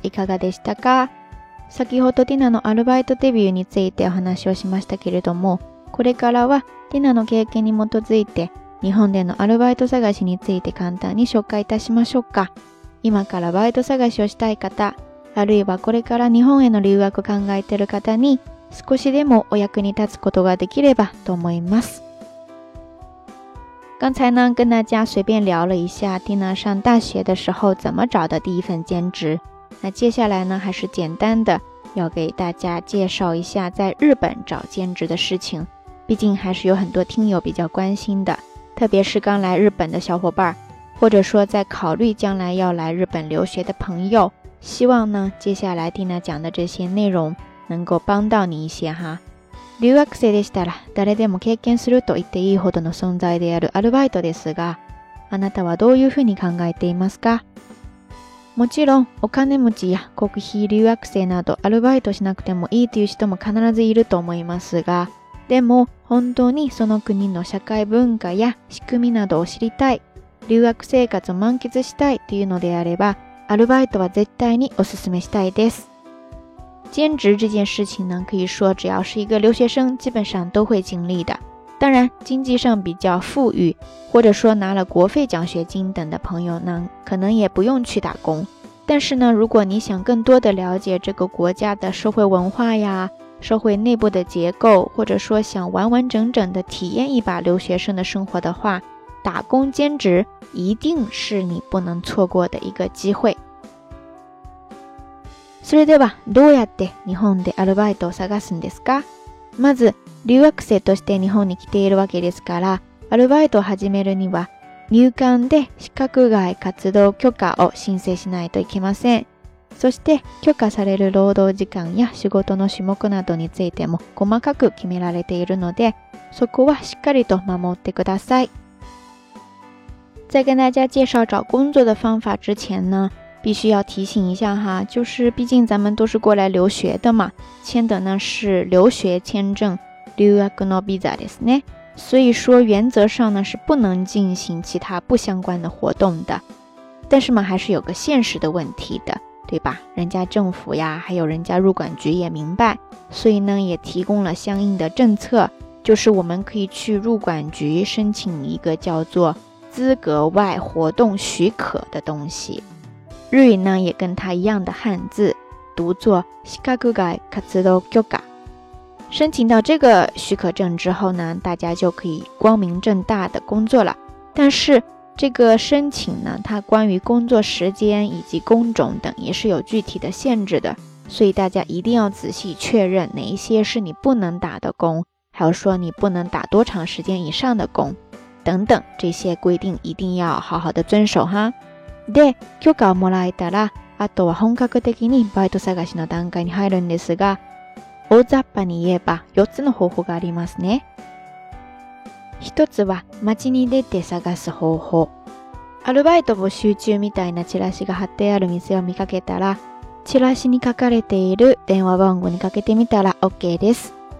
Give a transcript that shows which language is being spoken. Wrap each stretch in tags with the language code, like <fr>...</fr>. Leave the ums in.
<ja>いかがでしたか先ほどティナのアルバイトデビューについてお話をしましたけれども、これからはティナの経験に基づいて、日本でのアルバイト探しについて簡単に紹介いたしましょうか。今からバイト探しをしたい方、あるいはこれから日本への留学を考えてる方に、少しでもお役に立つことができればと思います。</ja> <zh>刚才呢，跟大家随便聊了一下蒂娜上大学的时候怎么找的第一份兼职。那接下来呢，还是简单的要给大家介绍一下在日本找兼职的事情，毕竟还是有很多听友比较关心的，特别是刚来日本的小伙伴，或者说在考虑将来要来日本留学的朋友。希望呢，接下来蒂娜讲的这些内容能够帮到你一些哈。</zh> <ja>留学生でしたら誰でも経験すると言っていいほどの存在であるアルバイトですが、あなたはどういうふうに考えていますかもちろん、お金持ちや国費留学生などアルバイトしなくてもいいという人も必ずいると思いますが、でも本当にその国の社会文化や仕組みなどを知りたい、留学生活を満喫したいというのであれば、アルバイトは絶対にお勧めしたいです。</ja> <zh>兼职这件事情呢，可以说只要是一个留学生，基本上都会经历的。当然，经济上比较富裕，或者说拿了国费奖学金等的朋友呢，可能也不用去打工。但是呢，如果你想更多的了解这个国家的社会文化呀，社会内部的结构，或者说想完完整整的体验一把留学生的生活的话，打工兼职一定是你不能错过的一个机会。</zh> <ja>それではどうやって日本でアルバイトを探すんですかまず留学生として日本に来ているわけですからアルバイトを始めるには入管で資格外活動許可を申請しないといけませんそして許可される労働時間や仕事の種目などについても細かく決められているのでそこはしっかりと守ってください</ja> <zh>在跟大家介绍找工作的方法之前呢必须要提醒一下哈，就是毕竟咱们都是过来留学的嘛，签的呢是留学签证</zh> <ja>留学のビザですね，</ja> <zh>所以说原则上呢是不能进行其他不相关的活动的。但是嘛，还是有个现实的问题的，对吧？人家政府呀，还有人家入管局也明白，所以呢也提供了相应的政策，就是我们可以去入管局申请一个叫做资格外活动许可的东西。日语呢，也跟它一样的汉字，读作西卡ゴ街卡ツドキ嘎”。申请到这个许可证之后呢，大家就可以光明正大的工作了。但是这个申请呢，它关于工作时间以及工种等也是有具体的限制的，所以大家一定要仔细确认哪一些是你不能打的工，还有说你不能打多长时间以上的工，等等这些规定一定要好好的遵守哈。</zh> <ja>で、許可をもらえたら、あとは本格的にバイト探しの段階に入るんですが、大雑把に言えば4つの方法がありますね。 1つは街に出て探す方法。アルバイト募集中みたいなチラシが貼ってある店を見かけたら、チラシに書かれている電話番号にかけてみたら OK です。</ja>